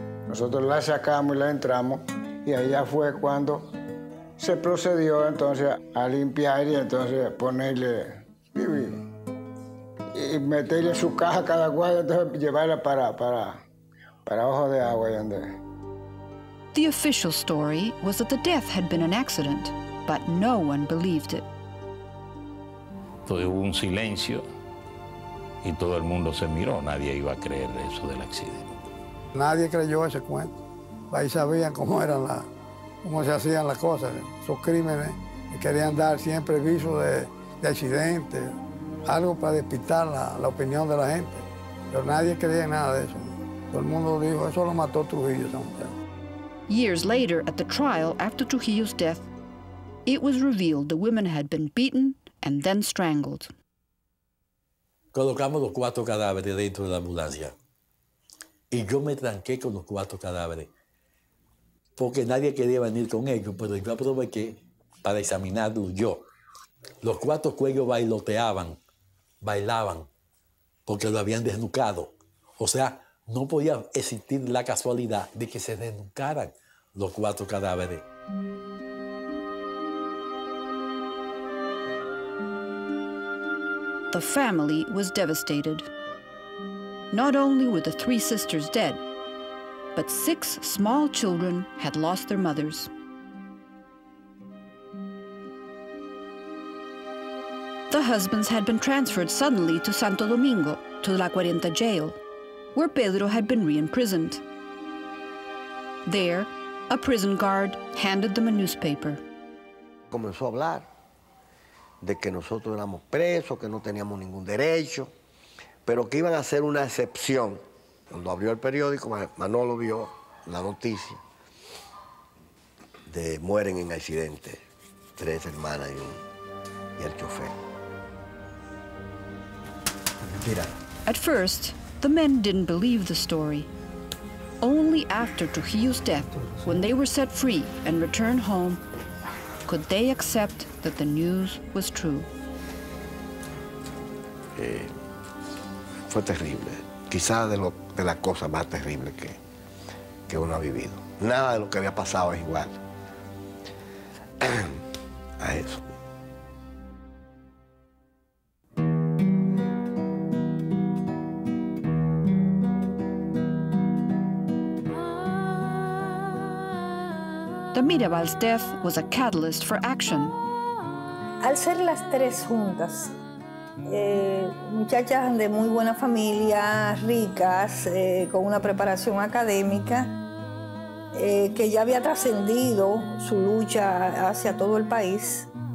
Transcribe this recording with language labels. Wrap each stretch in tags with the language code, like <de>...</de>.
<es>Nosotros la sacamos y la entramos, y allá fue cuando se procedió entonces a limpiar y entonces ponerle y meterle su caja cada cual, entonces llevarla para Ojo de Agua y donde.</es> <en>The official story was that the death had been an accident, but no one believed it.</en> <es>Entonces hubo un silencio y todo el mundo se miró, nadie iba a creer eso del accidente. Nadie creyó ese cuento. Ahí sabían cómo eran cómo se hacían las cosas, esos crímenes. Y querían dar siempre visos de accidentes, algo para despistar la opinión de la gente. Pero nadie creía en nada de eso. Todo el mundo dijo, eso lo mató Trujillo, esa mujer.</es> <en>Years later, at the trial after Trujillo's death, it was revealed the women had been beaten and then strangled.</en> <es>Colocamos los cuatro cadáveres dentro de la ambulancia. Y yo me tranqué con los cuatro cadáveres, porque nadie quería venir con ellos, pero yo aproveché para examinarlos yo. Los cuatro cuellos bailaban, porque lo habían desnucado. O sea, no podía existir la casualidad de que se desnucaran los cuatro cadáveres.</es> <en>The family was devastated. Not only were the three sisters dead, but six small children had lost their mothers. The husbands had been transferred suddenly to Santo Domingo, to La Cuarenta jail, where Pedro had been re-imprisoned. There, a prison guard handed them a newspaper.</en> <es>Comenzó a hablar de que nosotros éramos presos, que no teníamos ningún derecho, pero que iban a hacer una excepción. Cuando abrió el periódico, Manolo vio la noticia de mueren en accidente tres hermanas y el chofer. Mira.</es> <en>At first, the men didn't believe the story. Only after Trujillo's death, when they were set free and returned home, could they accept that the news was true.</en> <es>Fue terrible, quizás de las cosas más terribles que uno ha vivido. Nada de lo que había pasado es igual a eso.</es> <en>The Mirabal's death was a catalyst for action.</en> <es>Al ser las tres juntas, muchachas de muy buena familia, ricas, con una preparación académica, que ya había trascendido su lucha hacia todo el país.</es>